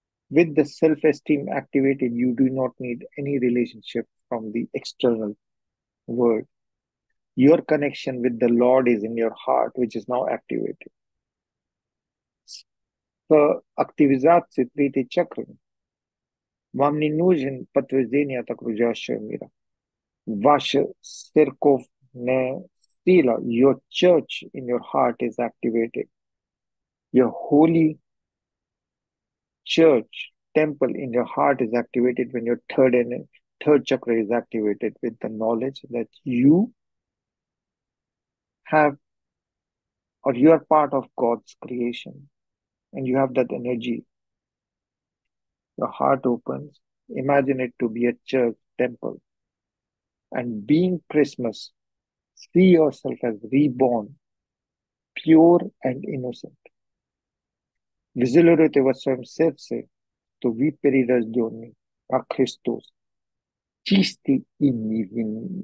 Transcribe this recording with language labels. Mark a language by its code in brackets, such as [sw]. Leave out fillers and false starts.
[en] With the self-esteem activated, you do not need any relationship from the external world. Your connection with the Lord is in your heart, which is now activated. [ru] So, активизация третьей чакры. Вам не нужен подтверждение от окружающего мира. Ваша церковная сила, [en] your church in your heart is activated. Your holy church, temple in your heart is activated when your third chakra is activated with the knowledge that you have or you are part of God's creation and you have that energy. Your heart opens. Imagine it to be a church, temple. And being Christmas, see yourself as reborn, pure and innocent. [ru] Визилируйте во своем сердце, то вы перерожденный, как Христос, чистый и невинный.